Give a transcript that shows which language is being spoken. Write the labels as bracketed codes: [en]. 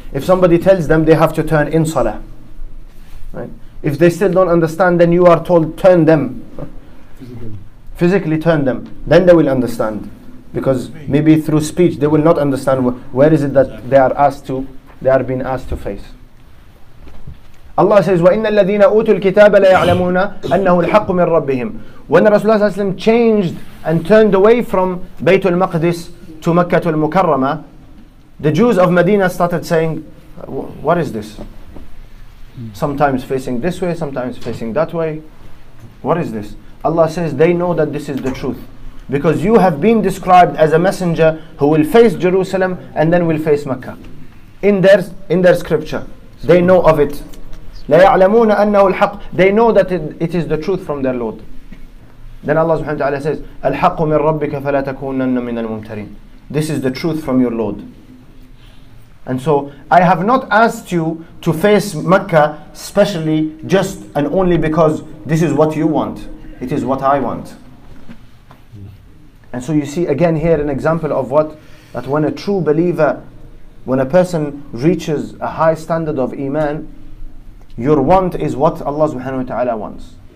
[en] If somebody tells them, they have to turn in Salah. Right? If they still don't understand, then you are told, turn them. Physically turn them, then they will understand. Because maybe through speech they will not understand where is it that they are being asked to face. Allah says, [ar] وَإِنَّ الَّذِينَ أُوتُوا الْكِتَابَ لَيَعْلَمُونَ أَنَّهُ الْحَقُّ مِنْ رَبِّهِمْ. [en] When Rasulullah ﷺ changed and turned away from Baytul Maqdis to Makkah al-Mukarramah, the Jews of Medina started saying, what is this? Sometimes facing this way, sometimes facing that way. What is this? Allah says they know that this is the truth. Because you have been described as a messenger who will face Jerusalem and then will face Mecca. In their scripture, they know of it. [ar] لَيَعْلَمُونَ أَنَّهُ الْحَقُّ. [en] They know that it is the truth from their Lord. Then Allah subhanahu wa ta'ala says, [ar] الْحَقُّ مِنْ رَبِّكَ فَلَا تَكُونَنَّ مِنَ الْمُمْتَرِينَ. [en] This is the truth from your Lord. And so, I have not asked you to face Mecca specially just and only because this is what you want. It is what I want. And so you see again here an example of what? That when a true believer, when a person reaches a high standard of Iman, your want is what Allah subhanahu wa ta'ala wants.